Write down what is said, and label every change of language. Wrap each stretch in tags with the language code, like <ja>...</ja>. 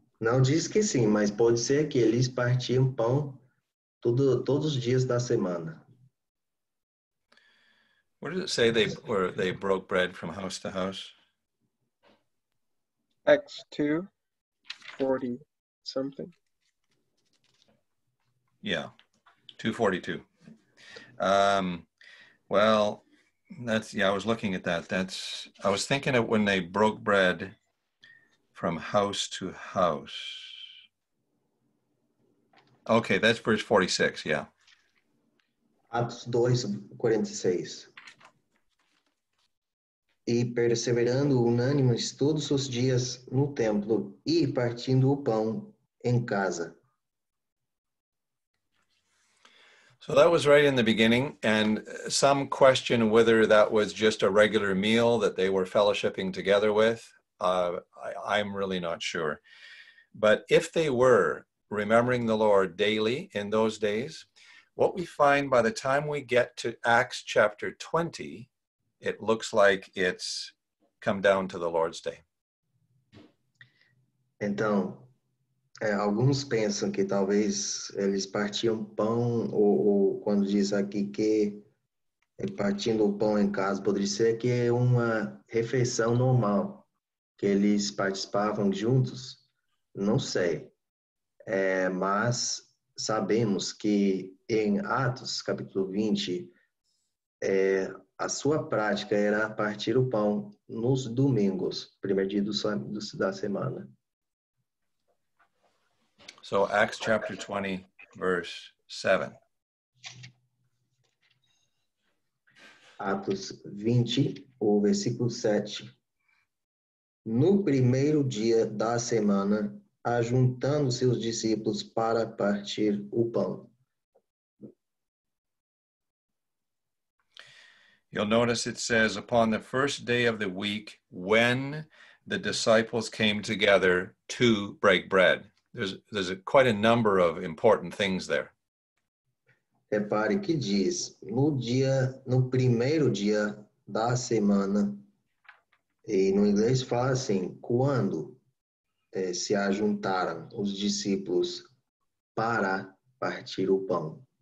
<pt>Não diz que sim, mas pode ser que eles partiam pão todos os dias da semana.</pt> <en>What does it say they broke bread from house to house? Acts 2, 40 something. Yeah, 242. Well, I was looking at that. I was thinking of when they broke bread from house to house. Okay, that's verse 46, yeah.</en> <pt>Atos 2:46. E perseverando unânimes todos os dias no templo e partindo o pão em casa.</pt> <en>So that was right in the beginning, and some question whether that was just a regular meal that they were fellowshipping together with. I'm really not sure. But if they were remembering the Lord daily in those days, what we find by the time we get to Acts chapter 20, it looks like it's come down to the Lord's Day.</en> <pt>Então, alguns pensam que talvez eles partiam pão, ou quando diz aqui que partindo o pão em casa, poderia ser que é uma refeição normal, que eles participavam juntos, não sei. Mas sabemos que em Atos, capítulo 20, a sua prática era partir o pão nos domingos, primeiro dia da semana.</pt> <en>So Acts chapter 20, verse 7.</en> <pt>Atos 20, o versículo 7. No primeiro dia da semana, ajuntando seus discípulos para partir o pão.</pt> <en>You'll notice it says, upon the first day of the week, when the disciples came together to break bread. There's quite a number of important things there.</en> <pt>Repare que diz, no dia, no primeiro dia da semana, e no inglês fala assim, quando se ajuntaram os discípulos para partir o pão.</pt>